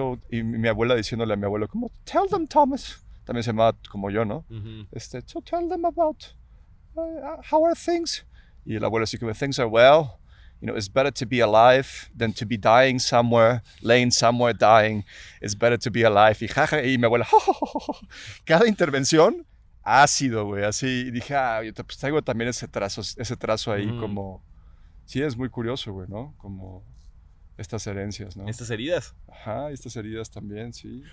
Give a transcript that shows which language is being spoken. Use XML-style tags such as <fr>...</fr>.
<es>Y mi abuela diciéndole a mi abuelo como,</es> <en>tell them, Thomas.</en> <es>También se llamaba como yo, ¿no? Uh-huh.</es> <en>So tell them about how are things.</en> <es>Y el abuelo así como,</es> <en>things are well. You know, it's better to be alive than to be dying somewhere, laying somewhere dying. It's better to be alive.</en> <es>Y jaja, y mi abuela, cada intervención ácido, güey. Así, y dije, pues traigo también ese trazo ahí como... Sí, es muy curioso, güey, ¿no? Como estas herencias, ¿no? Estas heridas. Ajá, estas heridas también, sí.</es>